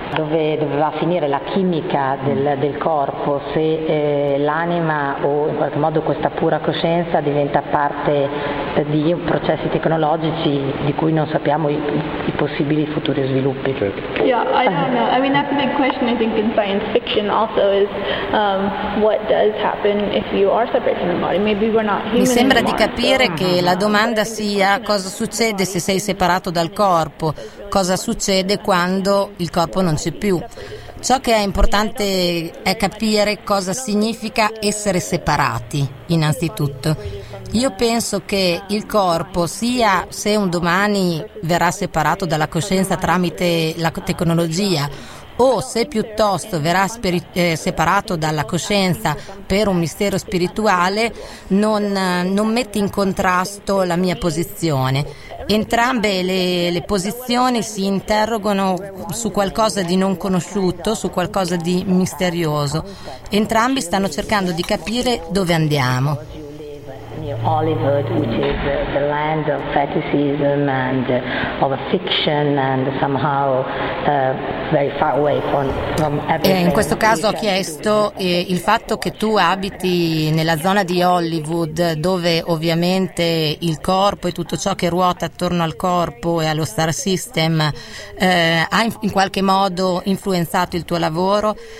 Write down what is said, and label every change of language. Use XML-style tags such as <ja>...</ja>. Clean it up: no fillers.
<it>Dove doveva finire la chimica del corpo, se l'anima o in qualche modo questa pura coscienza diventa parte di processi tecnologici di cui non sappiamo i possibili futuri sviluppi.</it> <en>Yeah, I don't know. I mean, that's a big question, I think, in science fiction also, is what does happen if you are separated from the body? Maybe we're not human.</en> <it>Mi sembra</it> <en>anymore,</en> <it>di capire che la domanda sia cosa succede se sei separato dal corpo, cosa succede quando il corpo non c'è più. Ciò che è importante è capire cosa significa essere separati, innanzitutto. Io penso che il corpo, sia se un domani verrà separato dalla coscienza tramite la tecnologia, o se piuttosto verrà separato dalla coscienza per un mistero spirituale, non mette in contrasto la mia posizione. Entrambe le posizioni si interrogano su qualcosa di non conosciuto, su qualcosa di misterioso. Entrambi stanno cercando di capire dove andiamo.</it> <en>Hollywood, which is the land of fetishism and of a fiction and somehow very far away from everything.</en> <it>In questo caso ho chiesto il fatto che tu abiti nella zona di Hollywood, dove ovviamente il corpo e tutto ciò che ruota attorno al corpo e allo star system ha in qualche modo influenzato il tuo lavoro,</it>